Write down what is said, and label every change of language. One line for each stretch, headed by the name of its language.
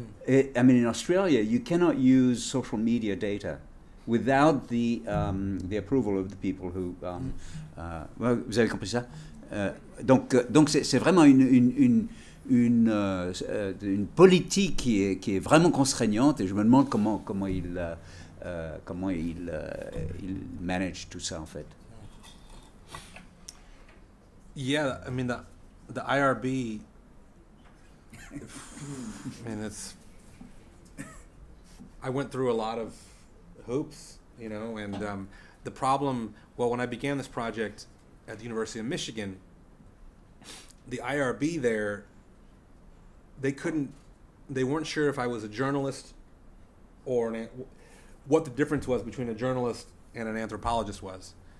English: In Australia, you cannot use social media data without the approval of the people who.
French: Vous avez compris ça? Donc c'est vraiment une politique qui est vraiment contraignante, et je me demande comment il manage tout ça en fait.
English: Yeah, I mean the IRB, I went through a lot of hoops, you know, and the problem, well, when I began this project at the University of Michigan, the IRB there, they weren't sure if I was a journalist or what the difference was between a journalist and an anthropologist was.